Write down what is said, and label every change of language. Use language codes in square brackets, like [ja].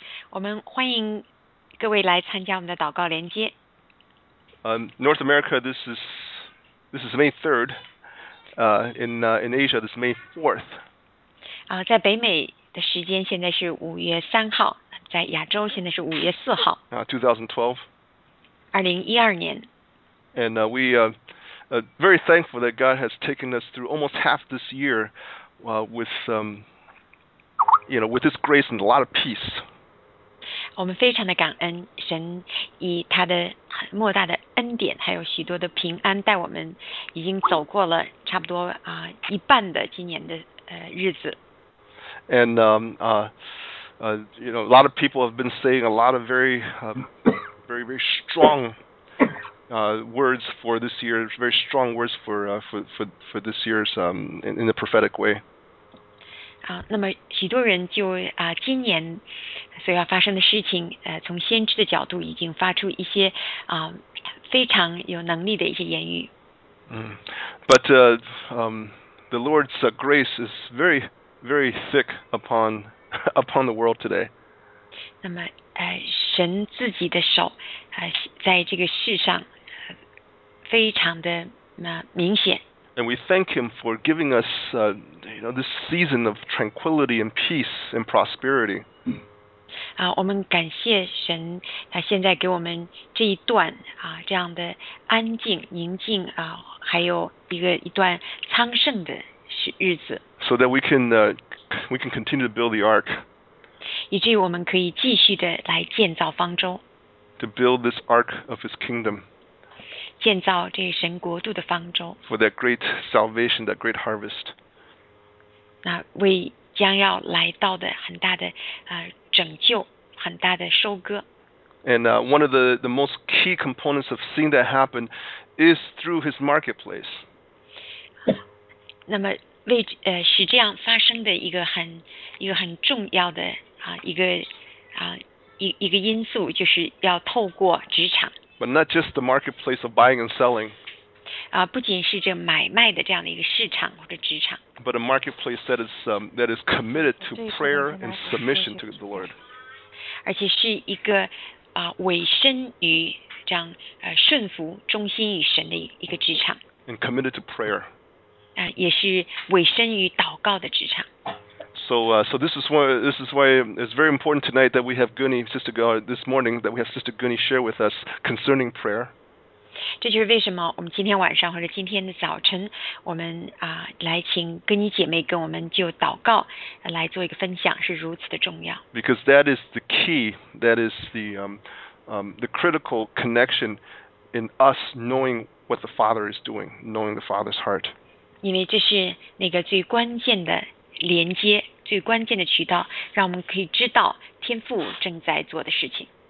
[zh] 我们欢迎各位来参加我们的祷告连接。 [en] North America, this is May 3rd. In Asia, this is May 4th. [zh] 在北美的时间现在是5月3号，在亚洲现在是5月4号。 [en] 2012. [zh] 2012年。 [en] And very thankful that God has taken us through almost half this year with His grace and a lot of peace. [zh] 我们非常的感恩，神以他的莫大的恩典，还有许多的平安，带我们已经走过了差不多一半的今年的日子。 [en] And a lot of people have been saying a lot of very very very strong words for this year. Very strong words for this year's in a prophetic way. [zh] 那么许多人就今年所要发生的事情，从先知的角度已经发出一些非常有能力的一些言语。 [en] But the Lord's grace is very, very thick upon the world today. [zh] 那么神自己的手在这个世上非常的明显。 [en] And we thank Him for giving us, this season of tranquility and peace and prosperity. [zh] 我们感谢神，他现在给我们这一段这样的安静、宁静还有一段昌盛的日子。 [en] So that we can continue to build the ark. [zh] 以至于我们可以继续的来建造方舟。 [en] To build this ark of His kingdom. [zh] 建造这神国度的方舟。 [en] For that great salvation, that great harvest. [zh] 那为将要来到的很大的拯救，很大的收割。 [en] And one of the most key components of seeing that happen is through His marketplace. [zh] 那么为使这样发生的一个很重要的一个因素，就是要透过职场。 [en] But not just the marketplace of buying and selling. [zh] 不仅是这买卖的这样的一个市场或者职场。 [en] But a marketplace that is committed to prayer and submission to the Lord. [zh] 而且是一个委身于这样顺服、忠心于神的一个职场。 [en] And committed to prayer. [zh] 也是委身于祷告的职场。 [en] So this is why it's very important tonight that we have Gunny, Sister Gunny, this morning that we have Sister Gunny share with us concerning prayer. [zh] 这就是为什么我们今天晚上或者今天的早晨，我们来请Gunny姐妹跟我们就祷告来做一个分享，是如此的重要。 [en] Because that is the key, that is the critical connection in us knowing what the Father is doing, knowing the Father's heart. [zh] 因为这是那个最关键的。连接最关键的渠道，让我们可以知道天父正在做的事情。